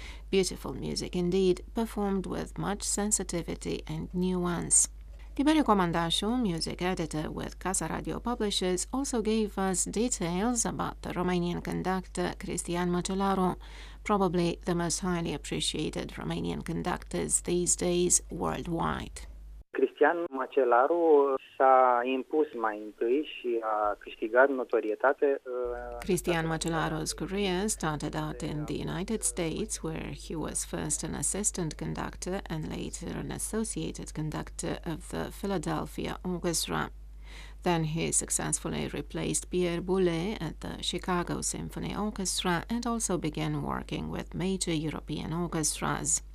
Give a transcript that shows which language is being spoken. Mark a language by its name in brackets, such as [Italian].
[English] Beautiful music indeed, performed with much sensitivity and nuance. Tiberiu Comandașu, music editor with Casa Radio Publishers, also gave us details about the Romanian conductor Cristian Măcelaru, probably the most highly appreciated Romanian conductors these days worldwide. [Romanian] Cristian Măcelaru s-a impus mai întâi și a câștigat notorietate. [English] Cristian Măcelaru's career started out in the United States, where he was first an assistant conductor and later an associated conductor of the Philadelphia Orchestra. Then he successfully replaced Pierre Boulez at the Chicago Symphony Orchestra and also began working with major European orchestras.